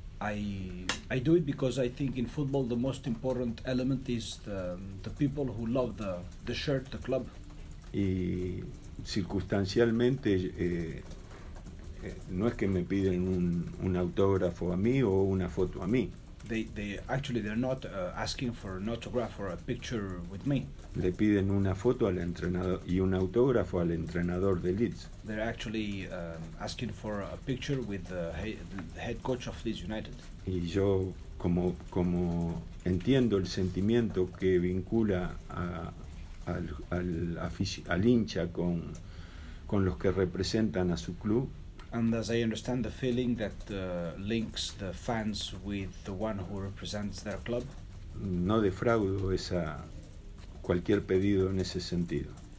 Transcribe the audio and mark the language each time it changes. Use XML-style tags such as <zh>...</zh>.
<en>I do it because I think in football the most important element is the people who love the shirt, the club.</en> <es>Y circunstancialmente no es que me piden un autógrafo a mí o una foto a mí.</es> <en>They're not asking for an autograph or a picture with me.</en> <es>Le piden una foto al entrenador y un autógrafo al entrenador de Leeds.</es> <en>They're actually asking for a picture with the head coach of Leeds United.</en> <es>Y yo como entiendo el sentimiento que vincula al hincha con los que representan a su club.</es> <en>And as I understand the feeling that links the fans with the one who represents their club.</en> <es>No defraudo esa cualquier pedido en ese sentido.</es>